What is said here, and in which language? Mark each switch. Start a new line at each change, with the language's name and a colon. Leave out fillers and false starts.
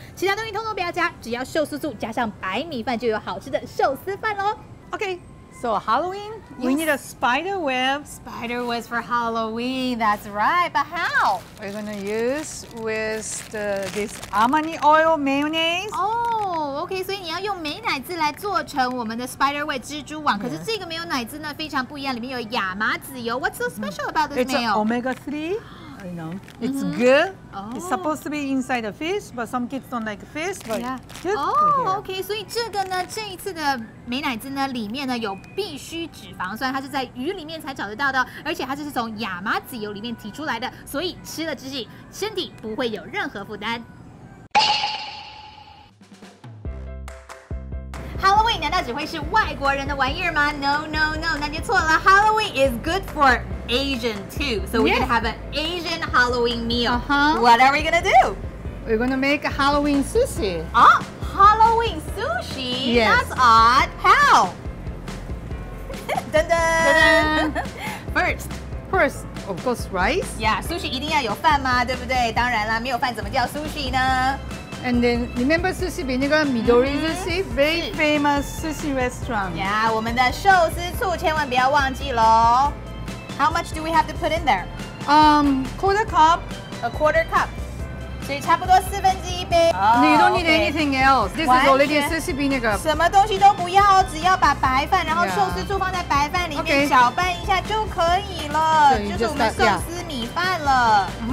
Chinese: 其他东西通通不要加，只要寿司素加上白米饭就有好吃的寿司饭咯。
English: Okay, so Halloween, we need a spider web. Spider webs for Halloween, that's right, but how? We're going to use with this amani oil mayonnaise. Oh, okay,
Chinese: 所以你要用美乃滋来做成我们的 spider web 蜘蛛网。可是这个没有乃滋呢，非常不一样，里面有亚麻籽油。
English: What's so special about this mayo? It's omega-3. I know. It's good. Oh. It's supposed to be inside the fish, but some kids don't like fish, but okay.
Chinese: 所以这个呢，这一次的美乃滋呢，里面呢有必需脂肪酸，它是在鱼里面才找得到的，而且它就是从亚麻籽油里面提出来的，所以吃了之后，身体不会有任何负担。 Halloween 难道只会是外国人的玩意儿吗 ？No, 那就错了。
English: Halloween is good for Asian too. So we're gonna have an Asian Halloween meal. Uh-huh. What are we gonna do? We're gonna make a Halloween sushi. Oh, Halloween sushi? Yes. That's odd. How? Dun dun. First, of course, rice.
Chinese: Yeah, sushi 一定要有饭吗？对不对？当然啦，没有饭怎么叫 sushi 呢？
English: And then, remember sushi vinegar, Midori sushi? Very famous sushi restaurant.
Chinese: Yeah, 我们的寿司醋千万不要忘记咯。
English: How much do we have to put in there? Quarter cup. A quarter cup.
Chinese: 所以差不多四分之一杯。
English: No, you don't need anything else. This is already sushi vinegar.
Chinese: 什么东西都不要，只要把白饭，然后寿司醋放在白饭里面搅拌一下就可以了。就是我们寿司米饭了。